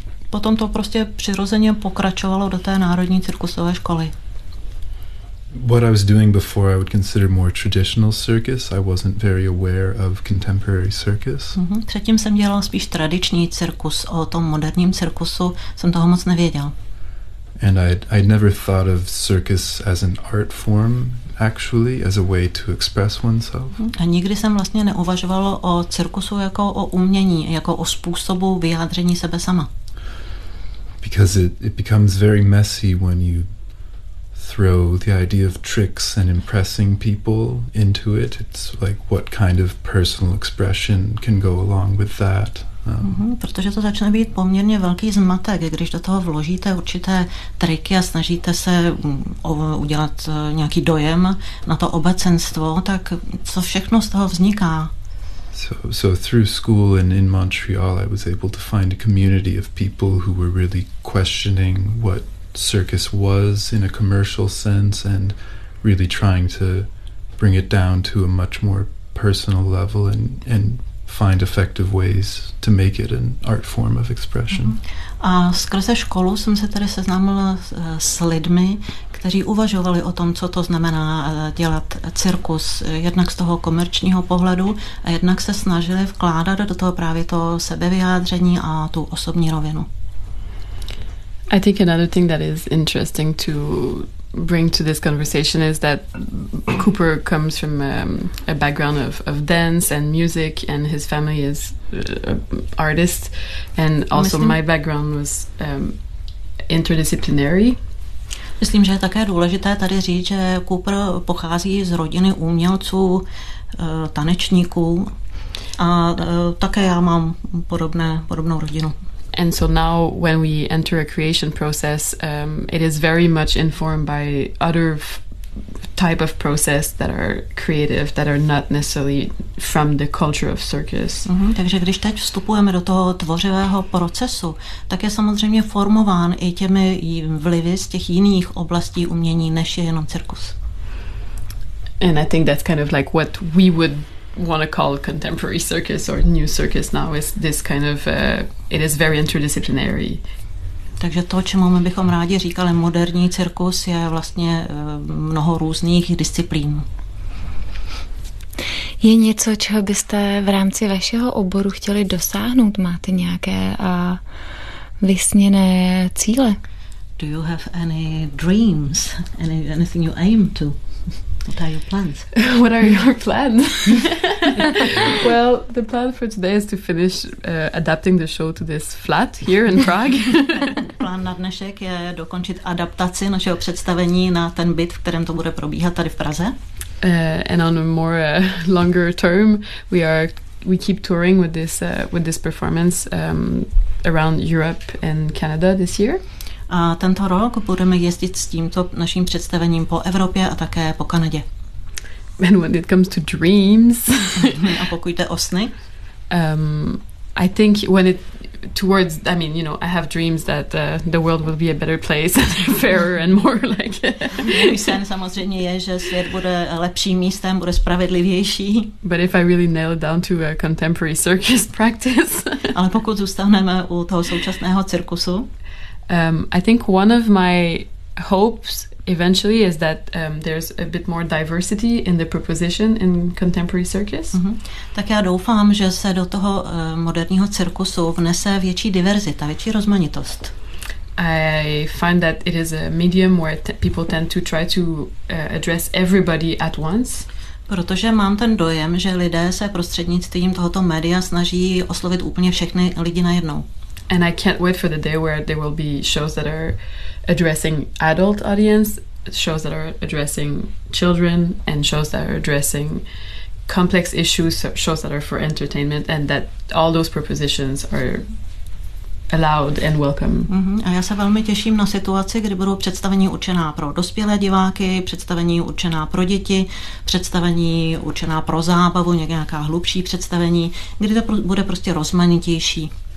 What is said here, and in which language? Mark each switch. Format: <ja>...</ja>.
<cs>Potom to prostě přirozeně pokračovalo do té národní cirkusové školy.</cs> <en>What I was doing before, I would consider more traditional circus. I wasn't very aware of contemporary circus.</en> <cs>Předtím jsem dělal spíš tradiční cirkus. O tom moderním cirkusu jsem toho moc nevěděl.</cs> <en>And I'd never thought of circus as an art form, actually, as a way to express oneself.</en> <cs>A nikdy jsem vlastně neuvažovala o cirkusu jako o umění, jako o způsobu vyjádření sebe sama.</cs> <en>Because it becomes very messy when you throw the idea of tricks and impressing people into it. It's like, what kind of personal expression can go along with that?</en> <cs>Protože to začne být poměrně velký zmatek, když do toho vložíte určité triky a snažíte se udělat nějaký dojem na to obecenstvo, tak co všechno z toho vzniká?</cs> <en>So through school and in Montreal, I was able to find a community of people who were really questioning what circus was in a commercial sense and really trying to bring it down to a much more personal level and find effective ways to make it an art form of expression.</en> <cs>A skrze školu jsem se tedy seznámila s lidmi, kteří uvažovali o tom, co to znamená dělat cirkus, jednak z toho komerčního pohledu a jednak se snažili vkládat do toho právě to sebevyjádření a tu osobní rovinu.</cs> <en>I think another thing that is interesting to bring to this conversation is that Cooper comes from a background of dance and music, and his family is artist, and also my background was interdisciplinary.</en> <cs>Myslím, že je také důležité tady říct, že Cooper pochází z rodiny umělců, tanečníků, a také já mám podobnou rodinu.</cs> <en>And so now when we enter a creation process, it is very much informed by other type of process that are creative, that are not necessarily from the culture of circus.</en> <cs>Takže když teď vstupujeme do toho tvořivého procesu, tak je samozřejmě formován i těmi vlivy z těch jiných oblastí umění, než je jenom cirkus.</cs> <en>And I think that's kind of like what we would want to call contemporary circus or new circus now is this kind of it is very interdisciplinary.</en> <cs>Takže to, čemu my bychom rádi říkali moderní cirkus, je vlastně mnoho různých disciplín. Je něco, čeho byste v rámci vašeho oboru chtěli dosáhnout? Máte nějaké vysněné cíle?</cs> <en>Do you have any dreams? Anything you aim to? What are your plans? What are your plans? Well, the plan for today is to finish adapting the show to this flat here in Prague.</en> <cs>Plán na dnešek je dokončit adaptaci našeho představení na ten byt, v kterém to bude probíhat tady v Praze.</cs> <en>And on a more longer term, we keep touring with this performance around Europe and Canada this year.</en> <cs>A tento rok budeme jezdit s tímto naším představením po Evropě a také po Kanadě.</cs> <en>And when it comes to dreams,</en> <cs>a pokud jde o sny,</cs> <en>I think when it towards, I mean, you know, I have dreams that the world will be a better place, fairer and more like.</en> <cs>Můj sen samozřejmě je, že svět bude lepším místem, bude spravedlivější.</cs> <en>But if I really nail it down to a contemporary circus practice,</en> <cs>ale pokud zůstaneme u toho současného cirkusu.</cs> <en>I think one of my hopes eventually is that there's a bit more diversity in the proposition in contemporary circus.</en> <cs>Tak já doufám, že se do toho moderního cirkusu vnese větší diverzita, větší rozmanitost.</cs> <en>I find that it is a medium where people tend to try to address everybody at once.</en> <cs>Protože mám ten dojem, že lidé se prostřednictvím tohoto média snaží oslovit úplně všechny lidi najednou.</cs> <en>And I can't wait for the day where there will be shows that are addressing adult audience, shows that are addressing children, and shows that are addressing complex issues, shows that are for entertainment, and that all those propositions are allowed and welcome.</en> <cs>A já se velmi těším na situaci, kdy budou představení určená pro dospělé diváky, představení určená pro děti, představení určená pro zábavu, nějaká hlubší představení, kdy to bude prostě rozmanitější.</cs>